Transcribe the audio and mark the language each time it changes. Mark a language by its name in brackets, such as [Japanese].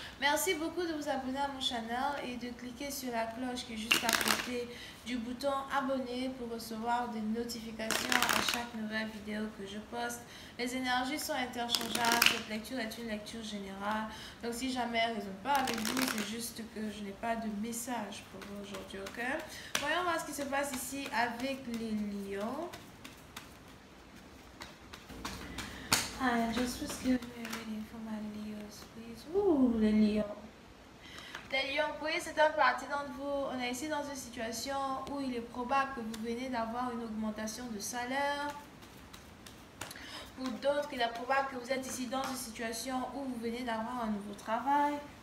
[French] Merci beaucoup de vous abonner à mon channel et de cliquer sur la cloche qui est juste à côté du bouton abonner pour recevoir des notifications à chaque nouvelle vidéo que je poste. Les énergies sont interchangeables, cette lecture est une lecture générale. Donc si jamais elle ne résonne pas avec vous, c'est juste que je n'ai pas de message pour vous aujourd'hui, ok? Voyons voir ce qui se passe ici avec les lions. [English] I just was giving a reading for my Leos, please. [French] Ouh, les lions. Les lions, oui, c'est un parti d'entre vous. On est ici dans une situation où il est probable que vous venez d'avoir une augmentation de salaire. Pour d'autres, il est probable que vous êtes ici dans une situation où vous venez d'avoir un nouveau travail.